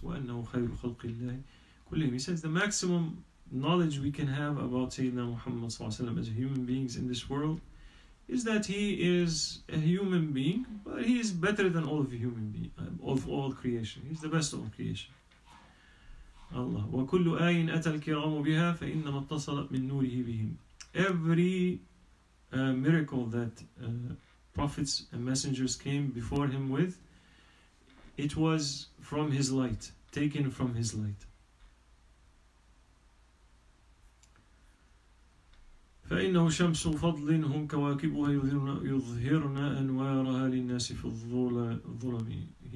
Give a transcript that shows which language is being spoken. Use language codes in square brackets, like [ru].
[ar] وَأَنَّهُ خَيْرُ خَلْقِ اللَّهِ كُلِّهِمْ. [en] He says the maximum knowledge we can have about Sayyidina Muhammad ﷺ as human beings in this world is that he is a human being, but he is better than all of human beings, of all creation. He's the best of all creation. [ar] Allah. وكل آية أتى الكرام بها فإنما اتصلت من نوره بهم. [en] Every miracle that prophets and messengers came before him with, it was from his light, taken from his light. [ar] فإنه شمس فضل هم كواكبها يظهرن أنوارها للناس في الظلم.